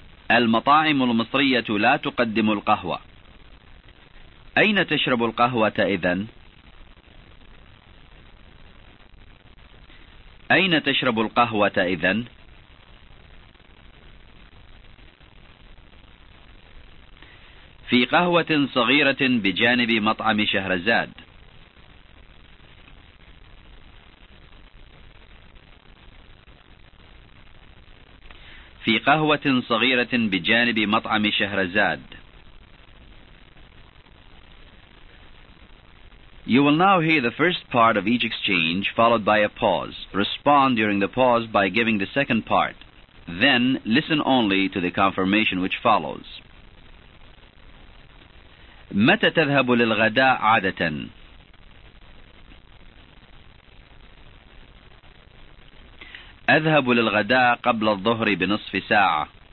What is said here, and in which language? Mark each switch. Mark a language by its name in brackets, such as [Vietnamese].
[Arabic] المطاعم المصرية لا تقدم القهوة. أين تشرب القهوة إذن؟ أين تشرب القهوة إذن؟ في قهوة صغيرة بجانب مطعم شهرزاد. في قهوة صغيرة بجانب مطعم شهرزاد. [English] You will now hear the first part of each exchange, followed by a pause. Respond during the pause by giving the second part. Then, listen only to the confirmation which follows. [Arabic] متى تذهب للغداء عادة؟ أذهب للغداء قبل الظهر بنصف ساعة.